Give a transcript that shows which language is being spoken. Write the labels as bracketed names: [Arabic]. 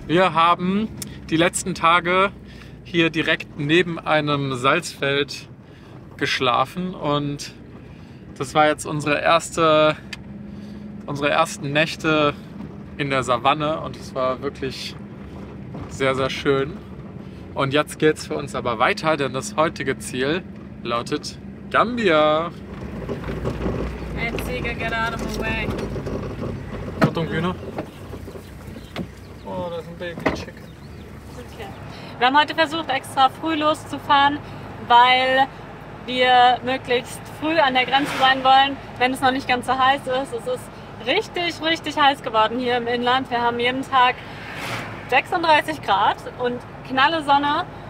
[German] Wir haben die letzten Tage hier direkt neben einem Salzfeld geschlafen und das war jetzt unsere ersten Nächte in der Savanne und es war wirklich sehr, sehr schön. Und jetzt geht's für uns aber weiter, denn das heutige Ziel lautet Gambia. [English] Hey, Ziege, get out of my way. [German] Achtung, Hühner. Oh, das ist ein Baby Chicken. Okay. Wir haben heute versucht, extra früh loszufahren, weil wir möglichst früh an der Grenze sein wollen, wenn es noch nicht ganz so heiß ist. Es ist richtig, richtig heiß geworden hier im Inland. Wir haben jeden Tag 36 Grad und knalle Sonne.